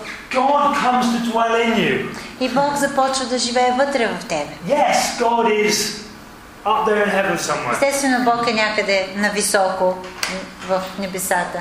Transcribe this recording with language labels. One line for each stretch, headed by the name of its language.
English: God comes to dwell in you.
Bulgarian: И Бог започва да живее вътре в тебе.
English: Yes, God is up there in heaven somewhere.
Bulgarian: Естествено, Бог е някъде нависоко в небесата.